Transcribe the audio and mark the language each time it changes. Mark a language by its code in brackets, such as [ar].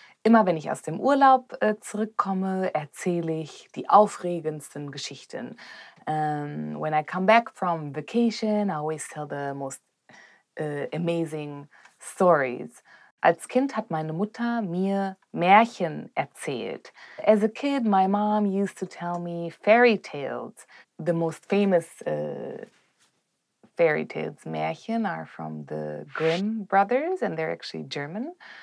[de] Immer wenn ich aus dem Urlaub zurückkomme, erzähle ich die aufregendsten Geschichten. [en] When I come back from vacation, I always tell the most amazing stories. [de] Als Kind hat meine Mutter mir Märchen erzählt. [en] As a kid, my mom used to tell me fairy tales. The most famous fairy tales, Märchen, are from the Grimm brothers, and they're actually German.